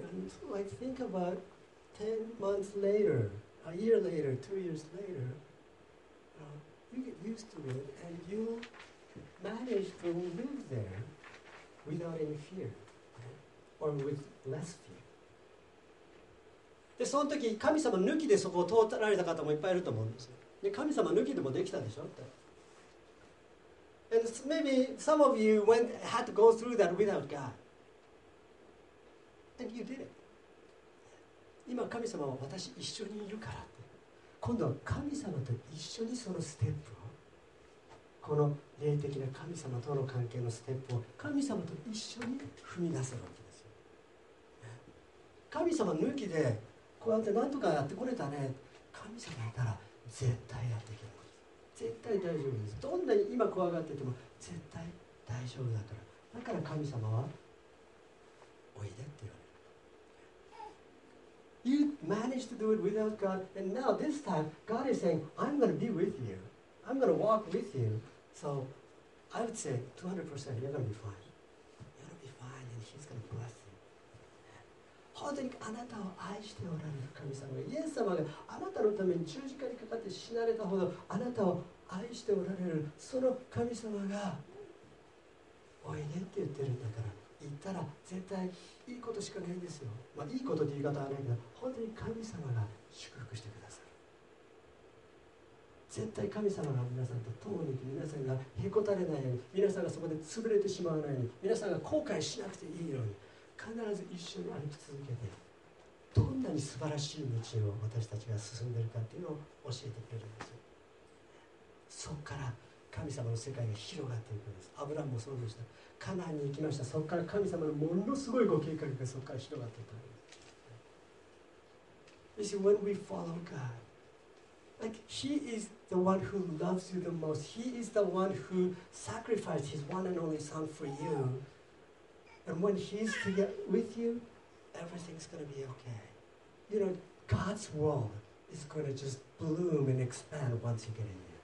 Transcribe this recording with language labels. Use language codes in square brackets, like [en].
[en] And like think about 10 months later, a year later, 2 years later, you get used to it and you'll manage to live there without any fear, or with less fear. [ja] で、その時神様抜きでそこを通られた方もいっぱいいると思うんですよ。で、神様抜きでもできたでしょって。 [en] And maybe some of you went had to go through that without God. And you did it. [ja] 今神様は私一緒にいるからって。今度は神様と一緒にそのステップを、この霊的な神様との関係のステップを神様と一緒に踏み出せるわけですよ。神様抜きでこうやって何とかやってこれたね。神様いたら絶対やっていける。絶対大丈夫です。どんなに今怖がってても絶対大丈夫だから。だから神様はおいでって言われる。 [en] You managed to do it without God, and now this time God is saying, "I'm going to be with you. I'm going to walk with you." So I would say 200% you're going to be fine. You're going to be fine, and He's going to bless you. [ja] 本当にあなたを愛しておられる神様が、イエス様があなたのために十字架にかかって死なれたほどあなたを愛しておられる、その神様がおいでって言ってるんだから、行ったら絶対いいことしかないんですよ。まあいいことって言い方はないけど、本当に神様が祝福してくださる。絶対神様が皆さんと共にいて、皆さんがへこたれないように、皆さんがそこで潰れてしまわないように、皆さんが後悔しなくていいように、必ず一緒に歩き続けて、どんなに素晴らしい道を私たちが進んでいるかっていうのを教えてくれるんですよ。そこから神様の世界が広がっていくんです。アブラハムもそうでした。カナンに行きました。そこから神様のものすごいご計画がそこから広がっていくんです。 [en] You see, when we follow God, like He is the one who loves you the most. He is the one who sacrificed His one and only Son for you. And when He's together with you, everything's going to be okay. You know, God's world is going to just bloom and expand once you get in there.